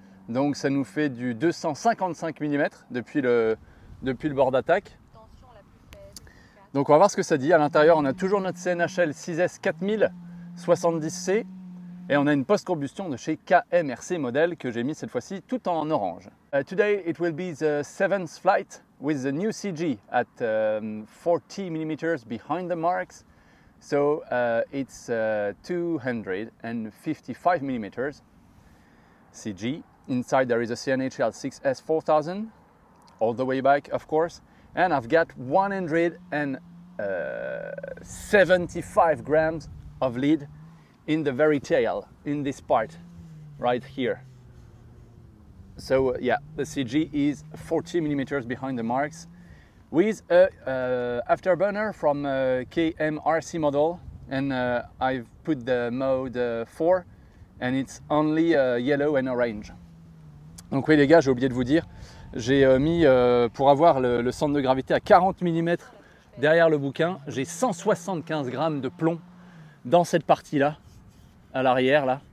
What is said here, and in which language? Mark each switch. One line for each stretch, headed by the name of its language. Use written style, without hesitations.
French: Donc ça nous fait du 255 mm depuis le bord d'attaque. Donc on va voir ce que ça dit. À l'intérieur, on a toujours notre CNHL 6S 4000 70C et on a une post-combustion de chez KMRC modèle que j'ai mis cette fois-ci tout en orange.
English: Today it will be the 7th flight with the new CG at 40 mm behind the marks. So it's 255 mm CG. Inside there is a CNHL 6S 4000 all the way back, of course. And I've got 175 grams of lead in the very tail, in this part, right here. So yeah, the CG is 40 millimeters behind the marks with a afterburner from a KMRC model. And I've put the mode 4 and it's only yellow and orange.
French: Donc oui les gars, j'ai oublié de vous dire, j'ai mis pour avoir le centre de gravité à 40 mm derrière le bouquin, j'ai 175 grammes de plomb dans cette partie-là, à l'arrière là.